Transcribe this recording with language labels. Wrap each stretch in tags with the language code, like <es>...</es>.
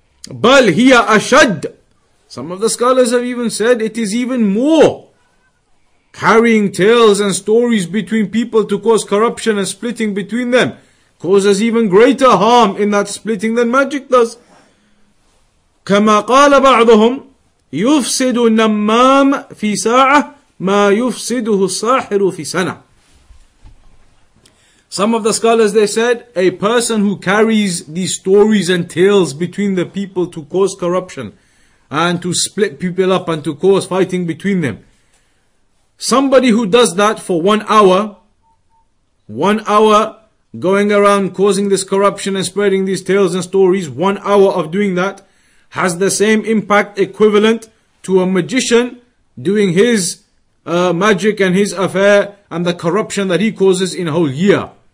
<ar>Bal hiya ashad.</ar> <en>Some of the scholars have even said it is even more carrying tales and stories between people to cause corruption and splitting between them causes even greater harm in that splitting than magic does.</en> <ar>كما قال بعضهم يفسد النمام في ساعة ما يفسده الساحر في سنة.</ar> <en>Some of the scholars, they said, a person who carries these stories and tales between the people to cause corruption and to split people up and to cause fighting between them. Somebody who does that for 1 hour, 1 hour going around causing this corruption and spreading these tales and stories, 1 hour of doing that has the same impact equivalent to a magician doing his magic and his affair and the corruption that he causes in a whole year.</en>